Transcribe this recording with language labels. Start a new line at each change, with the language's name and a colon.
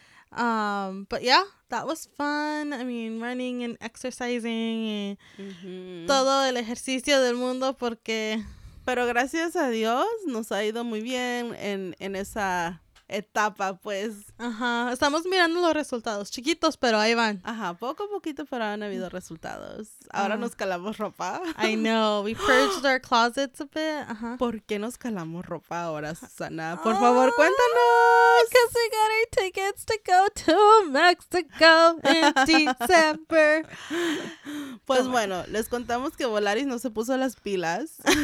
English: But yeah, that was fun. I mean, running and exercising
Spanish: y todo el ejercicio del mundo porque... Pero gracias a Dios nos ha ido muy bien en esa etapa, pues. Ajá, estamos mirando los resultados, chiquitos, pero ahí van. Ajá, poco a poquito, pero han habido resultados. Ahora nos calamos ropa.
English: I know, we purged our closets a bit. Ajá.
Spanish: ¿Por qué nos calamos ropa ahora, Susana? Por favor, cuéntanos.
English: Because we got our tickets to go to Mexico in December.
Spanish: Pues bueno, les contamos que Volaris no se puso las pilas.